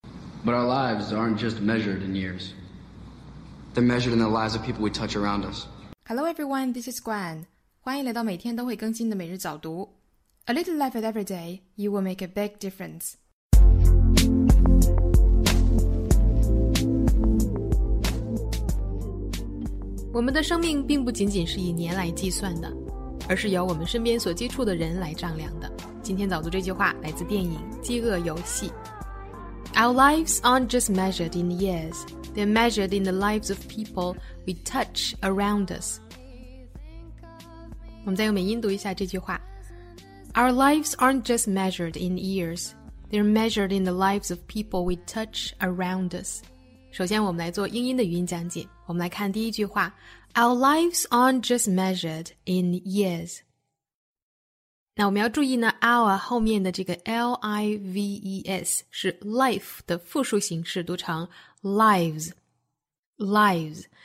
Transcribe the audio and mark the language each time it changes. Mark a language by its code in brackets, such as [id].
[en] But our lives aren't just measured in years. They're measured in the lives of people we touch around us. Hello everyone, this is Gwen. [zh] 欢迎来到每天都会更新的每日早读。 [en] A little effort every day, you will make a big difference. [zh] 我们的生命并不仅仅是以年来计算的，而是由我们身边所接触的人来丈量的。今天早读这句话来自电影《饥饿游戏》。 [en] Our lives aren't just measured in years, they're measured in the lives of people we touch around us. [zh] 我们再用美音读一下这句话。 [en] Our lives aren't just measured in years, they're measured in the lives of people we touch around us. [zh] 首先我们来做英音的语音讲解。我们来看第一句话。 [en] Our lives aren't just measured in years. [zh] 那我们要注意呢 ,our 后面的这个 lives 是 life 的复数形式，读成 lives, lives.